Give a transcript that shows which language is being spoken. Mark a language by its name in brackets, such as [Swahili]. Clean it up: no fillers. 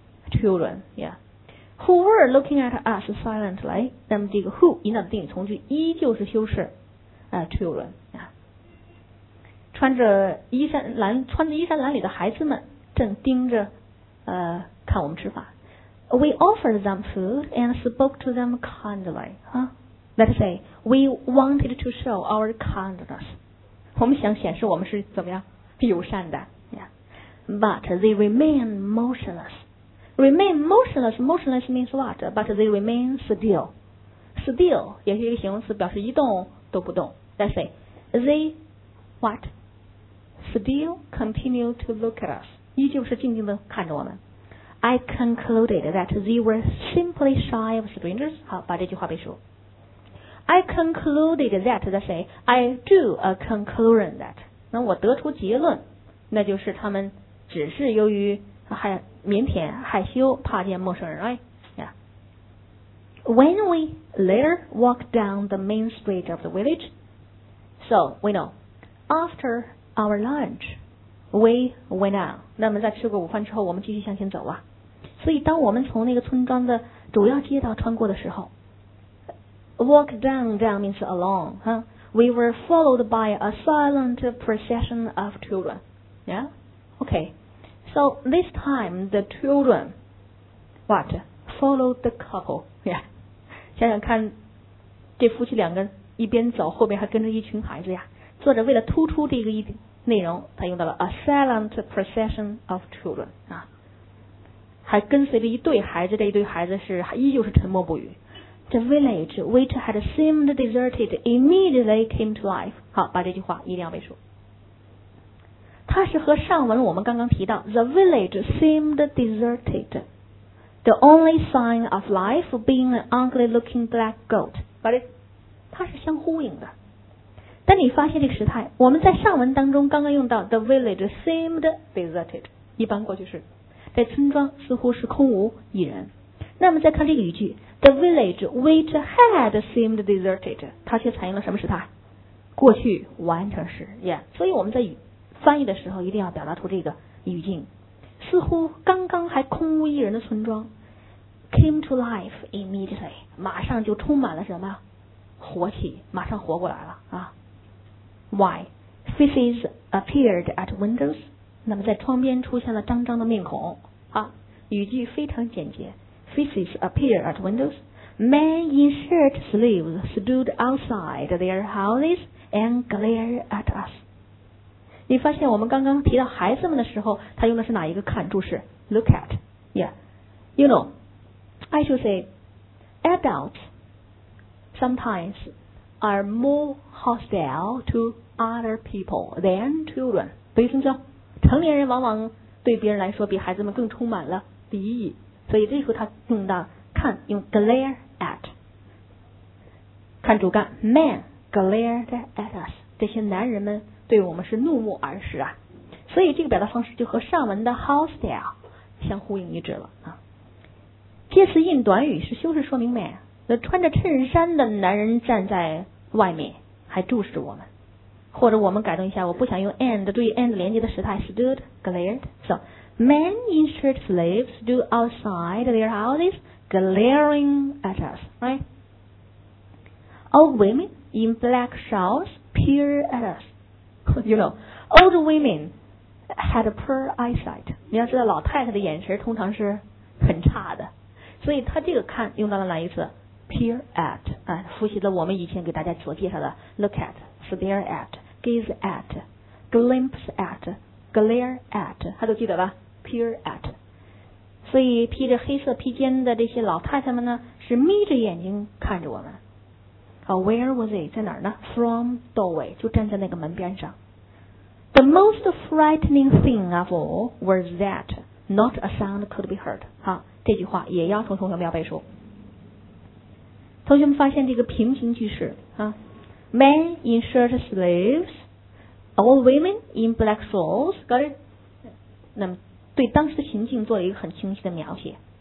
[English] Children, yeah. Who were looking at us silently, [Chinese] 那么这个 who 引导的定语从句依旧是修是、 [English] children, yeah. [Chinese] 穿着衣衫褴褛的孩子们正盯着、看我们吃饭。 [English] We offered them food and spoke to them kindly, huh? Let's say, we wanted to show our kindness. [Chinese] 我们想显示我们是怎么样友善的、 [English] yeah. But they remain motionless. Remain motionless, motionless means what? But they remain still. [Chinese] Still 也是一个形容词表示一动都不动 [English] Let's say, they what? Still continue to look at us. [Chinese] 依旧是静静地看着我们 [English] I concluded that they were simply shy of strangers. [Chinese] 好把这句话背熟 [English] I concluded that, that's it. I drew a conclusion that. [Chinese] 那我得出结论，那就是他们只是由于腼腆、害羞、怕见陌生人 ， [English] right? Yeah. When we later walked down the main street of the village, so we know. After our lunch, we went on. [Chinese] 那么在吃过午饭之后，我们继续向前走啊。所以当我们从那个村庄的主要街道穿过的时候。 [English] Walk down means along, huh? We were followed by a silent procession of children. Yeah? Okay. So this time the children, what? Followed the couple. Yeah. [Chinese] 想想看这夫妻两个一边走后边还跟着一群孩子呀。作者为了突出这个内容他用到了 [English] a silent procession of children. [Chinese] 啊，还跟随着一对孩子这一对孩子是依旧是沉默不语。 [English] The village, which had seemed deserted, immediately came to life. [Chinese] 好，把这句话一定要背熟。它是和上文我们刚刚提到 ， [English] the village seemed deserted. The only sign of life being an ugly-looking black goat. [Chinese] 把这，它是相呼应的。但你发现这个时态，我们在上文当中刚刚用到 [English] the village seemed deserted， [Chinese] 一般过去式，在村庄似乎是空无一人。那么再看这个语句 ， [English] the village which had seemed deserted， [Chinese] 它却采用了什么时态？过去完成时 ， [English] yeah。 [Chinese] 所以我们在翻译的时候一定要表达出这个语境。似乎刚刚还空无一人的村庄 [English] ，came to life immediately， [Chinese] 马上就充满了什么？活气，马上活过来了啊。 [English] Why faces appeared at windows？ [Chinese] 那么在窗边出现了张张的面孔啊。语句非常简洁。 [English] Faces appeared at windows. Men in shirt sleeves stood outside their houses and glared at us. [Chinese] 你发现我们刚刚提到孩子们的时候，他用的是哪一个看注释 ？ [English] Look at. Yeah. You know, I should say, adults sometimes are more hostile to other people than children. [Chinese] 对不对？成年人往往对别人来说比孩子们更充满了敌意。所以这时候他用到看用 glare at 看主干 [English] men glared at us [Chinese] 这些男人们对我们是怒目而视啊所以这个表达方式就和上文的 hostile 相呼应一致了啊介词应短语是修饰说明 man 那穿着衬衫的男人站在外面还注视着我们或者我们改动一下我不想用 and 对 and 连接的时态 stood glared so [English] Men in shirt sleeves do outside their houses glaring at us, right? Old women in black shawls peer at us. You know, old women had a poor eyesight. [Chinese] 你要知道老太太的眼神通常是很差的。所以他这个看用到了哪一次 ?peer at, 啊复习了我们以前给大家所介绍的 look at, stare at, gaze at, glimpse at, glare at, 他都记得吧 ?peer at。所以披着黑色披肩的这些老太太们呢是眯着眼睛看着我们。 [English] Where was it? [Chinese] 在哪儿呢 ? [English] From doorway, [Chinese] 就站在那个门边上。 [English] The most frightening thing of all was that not a sound could be heard. [Chinese] 好这句话也要从同学们要背书。同学们发现这个平行句式啊 , [English] men in shirt sleeves, all women in black shawls, got it? [Chinese] 那么对当时的情境做了一个很清晰的描写。